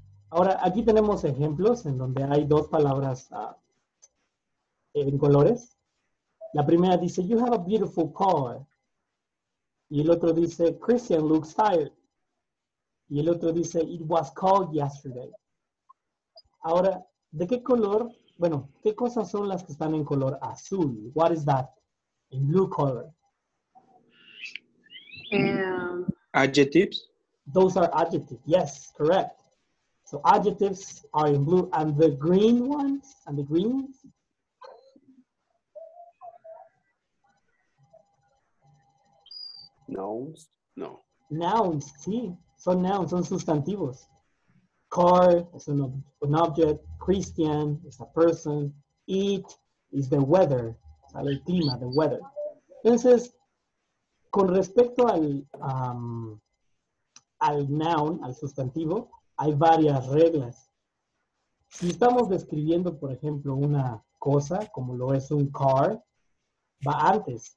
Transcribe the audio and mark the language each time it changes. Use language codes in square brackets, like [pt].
[es] Ahora, aquí tenemos ejemplos en donde hay dos palabras en colores. La primera dice, [en] you have a beautiful car. [es] Y el otro dice, [en] Christian looks tired. [es] Y el otro dice, [en] it was cold yesterday. [es] Ahora, ¿de qué color? Bueno, ¿qué cosas son las que están en color azul? [en] What is that? In blue color. Adjectives? Those are adjectives. Yes, correct. So adjectives are in blue. And the green ones? And the greens? Nouns? No. [es] Nouns, sí. Son nouns, son sustantivos. [en] Car is an object, Christian is a person, it is the weather, [es] sale el clima, [en] the weather. [es] Entonces, con respecto al al noun, al sustantivo, hay varias reglas. Si estamos describiendo, por ejemplo, una cosa, como lo es un car, va antes.